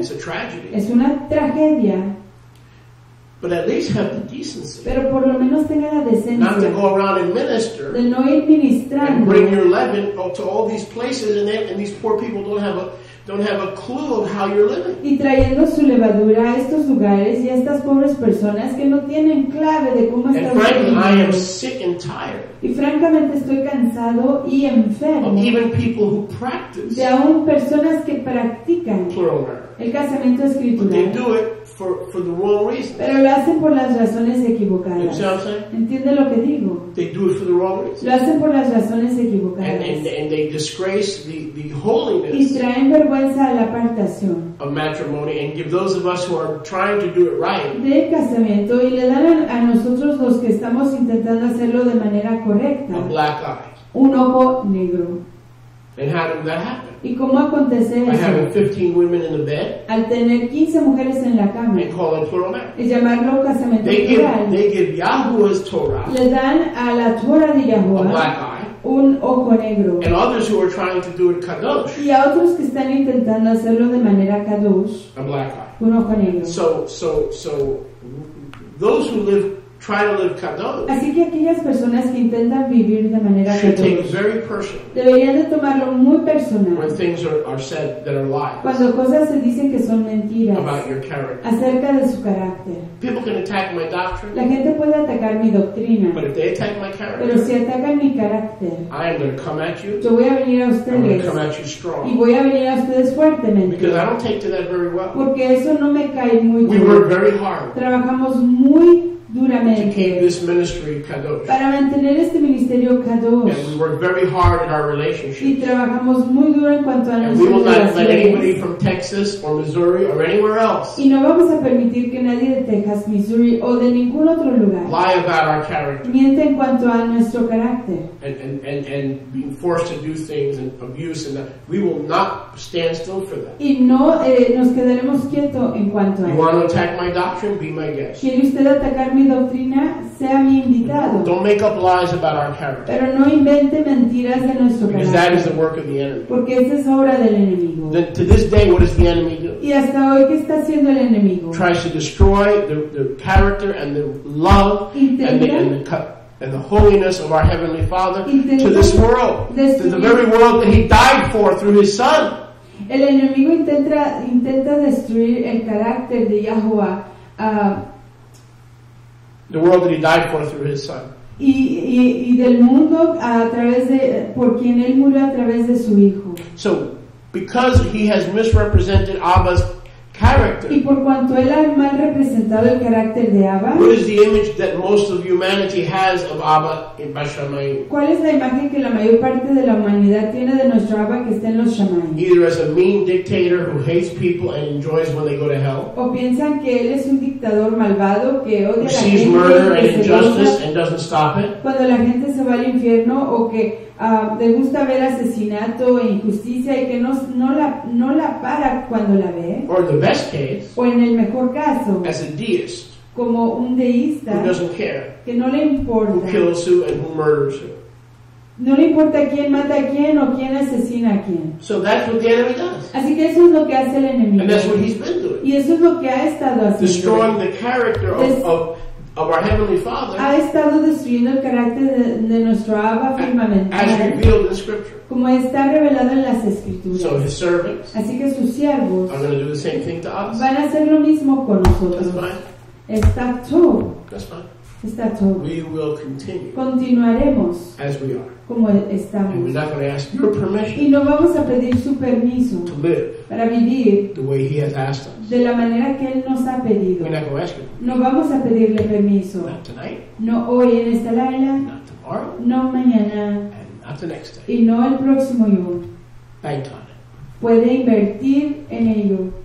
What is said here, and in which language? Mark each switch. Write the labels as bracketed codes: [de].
[en] It's a tragedy. [es] Es una tragedia. [en] But at least have the decency. [es] Pero por lo menos tenga la decencia. [en] Not to go around and minister. [es] De no ir ministrando. [en] And bring your leaven to all these places, and these poor people don't have a clue of how you're living. [es] Y trayendo su levadura a estos lugares y a estas pobres personas que no tienen clave de cómo están viviendo. [en] And frankly, I am sick and tired. [es] Y francamente estoy cansado y enfermo. [en] Of even people who practice. [es] De aún personas que practican. El casamiento escritural. [en] But they do it. For the wrong reasons. [es] Pero lo hacen por las razones equivocadas. ¿Entiende lo que digo? [en] They do it for the wrong reasons. [es] Lo hacen por las razones equivocadas. [en] And they disgrace the holiness. [es] Y traen vergüenza a la apartación. [en] Of matrimony and give those of us who are trying to do it right. [es] Del casamiento y le dan a nosotros los que estamos intentando hacerlo de manera correcta. [en] A black eye. [es] Un ojo negro. [en] And how did that happen? [es] ¿Y cómo acontece eso? [en] By having 15 women in the bed. [es] Al tener 15 mujeres en la cama. [en] And call it plural marriage. [es] Y llamarlo casamiento [en] they [es] plural. [en] Give, they give Yahuwah's Torah. [es] Le dan a la Torah de Yahuwah. [en] A black eye. [es] Un ojo negro. [en] And others who are trying to do it kadosh. [es] Y a otros que están intentando hacerlo de manera kadosh. [en] A black eye. [es] Un ojo negro. [en] So those who live try to live kadosh. [es] Así que aquellas personas que intentan vivir de manera [en] should [es] kadosh, [en] take it very personal. [es] Deberían de tomarlo muy personal. [en] When things are said that are lies. [es] Cuando cosas se dicen que son mentiras. [en] About your character. [es] Acerca de su carácter. [en] People can attack my doctrine. [es] La gente puede atacar mi doctrina. [en] But if they attack my character. [es] Pero si atacan mi carácter. [en] I am going to come at you. [es] Yo voy a venir a ustedes. [en] I'm going to come at you strong. [es] Y voy a venir a ustedes fuertemente. [en] Because I don't take to that very well. [es] Porque eso no me cae muy bien. [en] We work very hard. [es] Trabajamos muy duramente, [en] to keep this ministry kadosh. [es] Para mantener este ministerio kadosh. [en] And we work very hard in our relationships. [es] Y trabajamos muy duro en cuanto a [en] and [es] nuestras relaciones. [en] We will not let anybody from Texas or Missouri or anywhere else. [es] Y no vamos a permitir que nadie de Texas, Missouri o de ningún otro lugar [en] lie about our character. [es] Miente en cuanto a nuestro carácter. [en] And being forced to do things and abuse and that. We will not stand still for that. [es] Y no nos quedaremos quieto en cuanto [en] you [es] a. [en] You want to attack my doctrine? Be my guest. [es] ¿Quiere usted atacar mi doctrina, sea mi invitado? [en] Don't make up lies about our character. [es] Pero no invente mentiras de nuestro carácter. [en] Because that is the work of the enemy. [es] Porque esa es obra del enemigo. [en] To this day, what does the enemy do? [es] Y hasta hoy, ¿qué está haciendo el enemigo? [en] Tries to destroy the character and the love intenta, and the and the holiness of our Heavenly Father to this world, to the very world that He died for through His Son. [es] El enemigo intenta destruir el carácter de Yahuwah. [en] The world that He died for through His Son. [es] Y del mundo a través de por quien él murió a través de su hijo. [en] So, because he has misrepresented Abba's character. [es] Y por cuanto él ha mal representado el carácter de Abba. [en] What is the image that most of humanity has of Abba in Bashamayim? [es] ¿Cuál es la imagen que la mayor parte de la humanidad tiene de nuestro Abba que está en los Shamayim? [en] Either as a mean dictator who hates people and enjoys when they go to hell. [es] O piensan que él es un dictador malvado que odia a la gente. [en] Sees murder and injustice and doesn't stop it. [es] Cuando la gente se va al infierno o que le gusta ver asesinato e injusticia y que no la para cuando la ve. [en] Or the best case, [es] o en el mejor caso, [en] as a deist, [es] como un deísta, [en] who doesn't care, [es] que no le importa, [en] who kills who and who murders who. [es] No le importa quién mata a quién o quién asesina a quién. [en] So that's what the enemy does. [es] Así que eso es lo que hace el enemigo. [en] And that's what he's been doing. [es] Y eso es lo que ha estado haciendo. [en] Destroying the character of our Heavenly Father. [es] Ha estado destruyendo el carácter de nuestro Abba firmemente. [en] As revealed in Scripture. [es] Como está revelado en las Escrituras. [en] So his servants. [es] Así que sus siervos. [en] Are going to do the same thing to us. [es] Van a hacer lo mismo con nosotros. [en] That's fine. [es] Está todo. [en] That's fine. [es] Está todo. [en] We will continue. [es] Continuaremos. [en] As we are. [es] Como estamos. [en] And we're not going to ask your permission. [es] Y no vamos a pedir su permiso. [en] To live. [es] Para vivir. [en] The way he has asked us. [es] De la manera que él nos ha pedido. [en] We're not going to ask him. [es] No vamos a pedirle permiso. [en] Not tonight. [es] No hoy en esta laila. [en] Not tomorrow. [es] No mañana. [en] And not the next day. [es] Y no el próximo yugo. [en] Bank on it. [es] Puede invertir en ello.